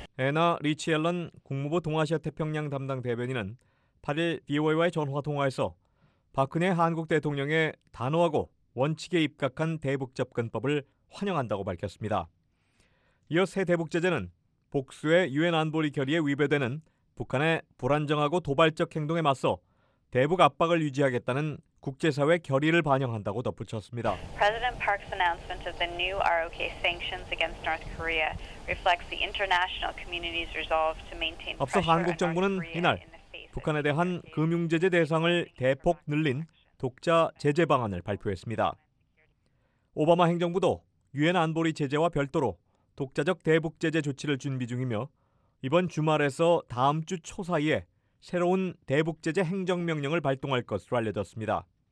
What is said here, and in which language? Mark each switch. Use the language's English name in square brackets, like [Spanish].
[Korean] 애나 리치 앨런 국무부 동아시아 태평양 담당 대변인은 8일 VOA와의 전화 통화에서 박근혜 한국 대통령의 단호하고 원칙에 입각한 대북 접근법을 환영한다고 밝혔습니다. 이어 새 대북 제재는 복수의 유엔 안보리 결의에 위배되는 북한의 불안정하고 도발적 행동에 맞서 대북 압박을 유지하겠다는 국제사회 결의를 반영한다고 덧붙였습니다. [English] President Park's announcement of the new ROK sanctions against North Korea reflects the international community's resolve to maintain. [Korean] 앞서 한국 정부는 이날 북한에 대한 금융 제재 대상을 대폭 늘린 독자 제재 방안을 발표했습니다. 오바마 행정부도 유엔 안보리 제재와 별도로 독자적 대북 제재 조치를 준비 중이며 이번 주말에서 다음 주 초 사이에 새로운 대북 제재 행정 명령을 발동할 것으로 알려졌습니다.